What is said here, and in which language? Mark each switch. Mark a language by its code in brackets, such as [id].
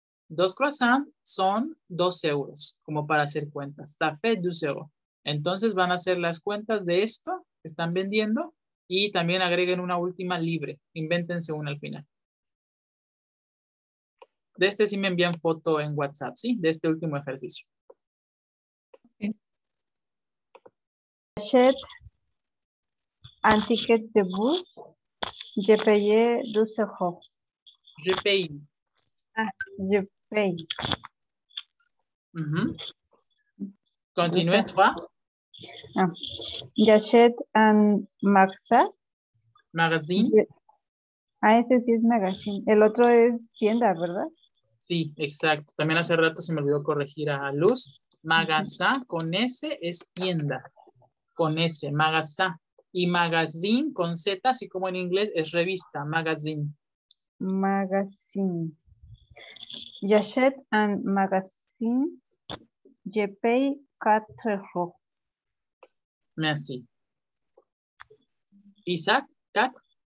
[es] Dos croissants son 2 euros, como para hacer cuentas. [fr] Ça fait 12 euros. [es] Entonces van a hacer las cuentas de esto que están vendiendo y también agreguen una última libre. Invéntense una al final. De este sí me envían foto en WhatsApp, ¿sí? De este último ejercicio. [en] Okay. [fr] J'achète un ticket de bus. Je paye 12 euros. Je paye. Je paye. [es] Continúe, toi. [fr] J'achète un magazine. [es] Ese sí es magazine. El otro es tienda, ¿verdad? Sí, exacto. También hace rato se me olvidó corregir a Luz. Magasá con S es tienda. Con S, magasá. Y magazine con Z, así como en inglés, es revista, magazine. [fr] Magazine. J'achète un magazine. Je paye 4 euros. Merci. Isaac, 4.